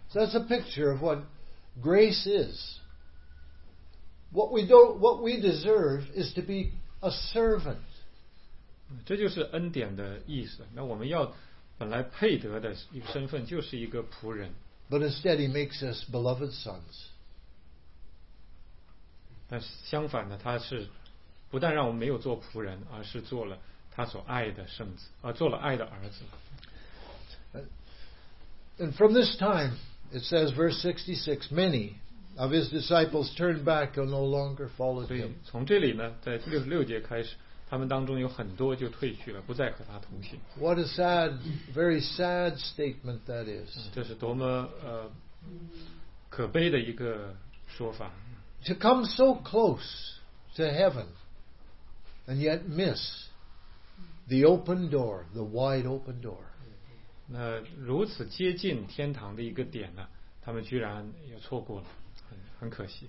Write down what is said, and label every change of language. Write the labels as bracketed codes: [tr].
[en] So that's a picture of what grace is. What we deserve is to be a servant. [zh] 这就是恩典的意思。那我们要本来配得的一个身份就是一个仆人。 [en] But instead, He makes us beloved sons. [zh] 但相反呢，他是不但让我们没有做仆人，而是做了他所爱的圣子，做了爱的儿子。 [en] And from this time, it says, verse 66, many of His disciples turned back and no longer followed Him. [zh] 所以从这里呢，在66节开始，他们当中有很多就退去了，不再和他同行。 [en] What a sad, very sad statement that is. [zh] 这是多么可悲的一个说法。 [en] To come so close to heaven and yet miss the open door, the wide open door. [zh] 那如此接近天堂的一个点呢，他们居然也错过了，很可惜。